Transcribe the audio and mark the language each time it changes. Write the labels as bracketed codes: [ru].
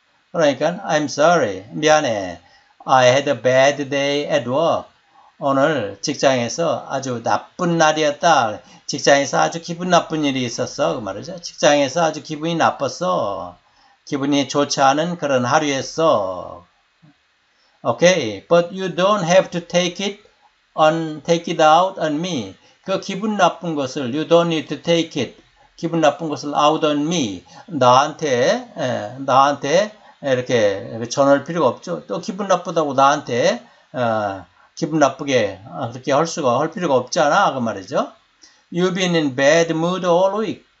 [en] 그러니까 I'm sorry. 미안해. I had a bad day at work. [ko] 오늘 직장에서 아주 나쁜 날이었다. 직장에서 아주 기분 나쁜 일이 있었어. 그 말이죠. 직장에서 아주 기분이 나빴어. 기분이 좋지 않은 그런 하루였어. [en] Okay. But you don't have to take it out on me. [ko] 그 기분 나쁜 것을, [en] you don't need to take it. [ko] 기분 나쁜 것을 [en] out on me. [ko] 나한테 이렇게 전할 필요가 없죠. 또 기분 나쁘다고 나한테, 기분 나쁘게 그렇게 할 필요가 없잖아. 그 말이죠. [en] You've been in bad mood all week.